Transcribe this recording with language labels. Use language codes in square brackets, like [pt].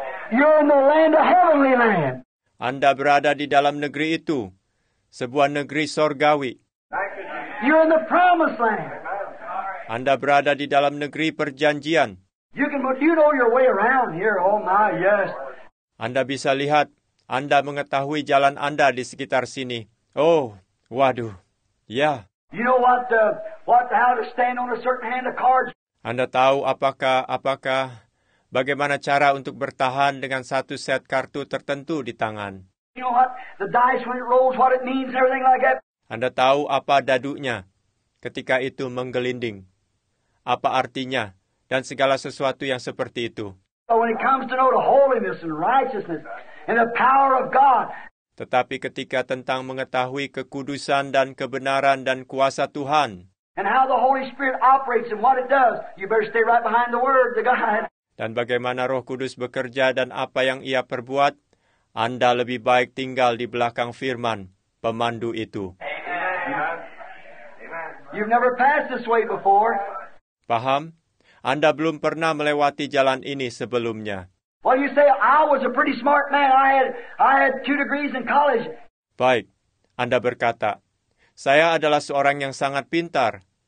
[en] You're in the land, a heavenly land. [id] Anda berada di dalam negeri itu, sebuah negeri sorgawi. [en] You're in the promised land. [id] Anda berada di dalam negeri perjanjian. [en] You can, but you know your way around here. Oh my, yes. [id] Anda bisa lihat, Anda mengetahui jalan Anda di sekitar sini. Oh, waduh, ya. Yeah. [en] You know how to stand on a certain hand of cards. [id] Anda tahu apakah bagaimana cara untuk bertahan dengan satu set kartu tertentu di tangan. [en] You know what? The dice when it rolls, what it means and everything like that. [id] Anda tahu apa dadunya ketika itu menggelinding. Apa artinya dan segala sesuatu yang seperti itu. [en] When it comes to know the holiness and righteousness and the power of God. [id] Tetapi ketika tentang mengetahui kekudusan dan kebenaran dan kuasa Tuhan. [en] And how the Holy Spirit operates and what it does, you better stay right behind the Word, the God. [id] Dan bagaimana Roh Kudus bekerja dan apa yang Ia perbuat, Anda lebih baik tinggal di belakang Firman, pemandu itu. Amen. [en] You've never passed this way before. [id] Paham? Anda belum pernah melewati jalan ini sebelumnya. [en] Well, you say I was a pretty smart man. I had 2 degrees in college. [id] Baik, Anda berkata, saya adalah seorang yang sangat pintar.